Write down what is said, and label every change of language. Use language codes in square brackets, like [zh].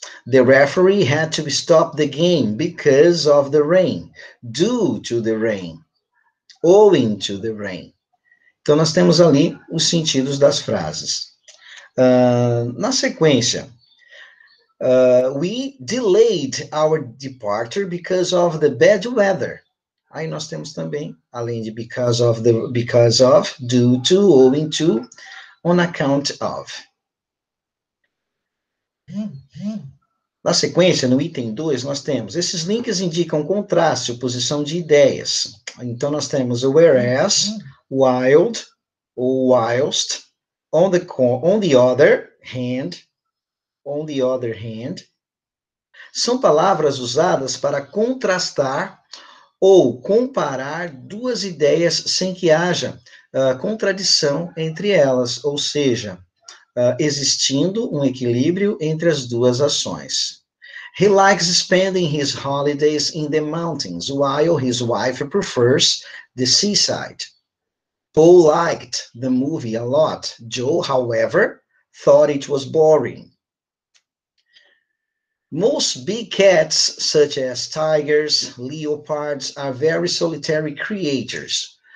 [en] The referee had to stop the game because of the rain, due to the rain, owing to the rain. [pt] Então, nós temos ali os sentidos das frases. Na sequência, [en] we delayed our departure because of the bad weather. [pt] Aí nós temos também, além de because of, due to, owing to, on account of. Na sequência, no item 2, nós temos, esses links indicam contraste, oposição de ideias. Então, nós temos whereas, while, ou whilst, on the other hand, são palavras usadas para contrastar ou comparar duas ideias sem que haja contradição entre elas, ou seja, existindo um equilíbrio entre as duas ações. [en] He likes spending his holidays in the mountains, while his wife prefers the seaside. Paul liked the movie a lot. Joe, however, thought it was boring. Most big cats, such as tigers, leopards, are very solitary creatures.